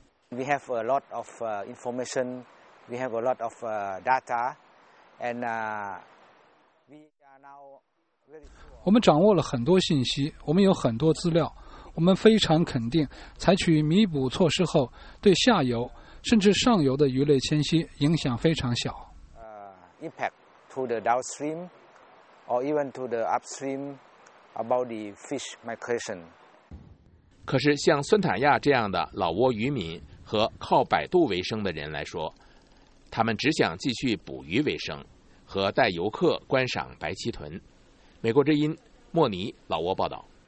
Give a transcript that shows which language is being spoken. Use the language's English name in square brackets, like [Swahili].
[English] We have a lot of information, we have a lot of data, and we are now very sure. [Chinese] 我们掌握了很多信息，我们有很多资料，我们非常肯定，采取弥补措施后，对下游甚至上游的鱼类迁徙影响非常小。 [English] Impact to the downstream, or even to the upstream. About the fish migration. [Chinese] 可是像孙塔亚这样的老挝渔民和靠摆渡为生的人来说，他们只想继续捕鱼为生和带游客观赏白鳍豚。美国之音莫尼老挝报道。